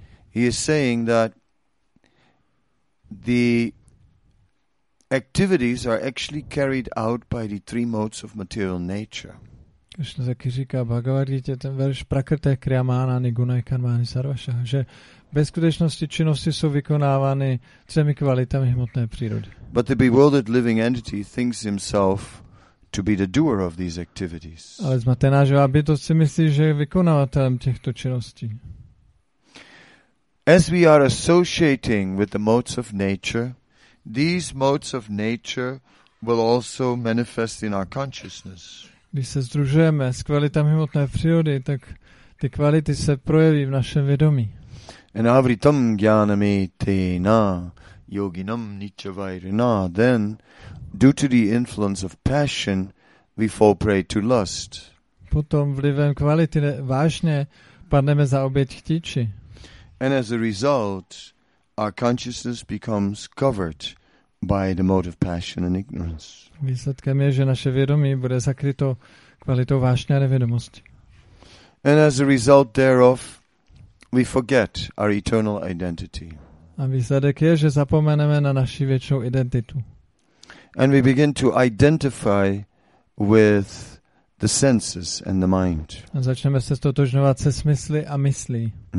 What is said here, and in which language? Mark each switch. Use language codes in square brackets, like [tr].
[en] He is saying that the activities are actually carried out by the three modes of material nature. [cs] Krishna taky říká Bhagavad Gita, ten verš [sa] prakrite kriyamanani gunakarmani sarvasa, [cs] že bez skutečnosti činnosti jsou vykonávány třemi kvalitami hmotné přírody. [en] But the bewildered living entity thinks himself to be the doer of these activities. [cs] Ale zmatená živá bytost si myslí, že je vykonavatelem těchto činností. [en] As we are associating with the modes of nature, these modes of nature will also manifest in our consciousness. [cs] Když se združujeme s kvalitami hmotné přírody, tak ty kvality se projeví v našem vědomí. [sa] En avritam jnanami tena yoginam nichavairina, [en] then due to the influence of passion, we fall prey to lust. [cs] Potom vlivem kvality vášně padneme za oběť chtíči. [en] And as a result, our consciousness becomes covered by the mode of passion and ignorance. [cs] Výsledkem je, že naše vědomí bude zakryto kvalitou vášně a nevědomosti. [en] And as a result thereof, we forget our eternal identity. [cs] A výsledek je, že zapomeneme na naši věčnou identitu. [en] And we begin to identify with the senses and the mind. [cs] A začneme se stotožňovat se smysly a myslí.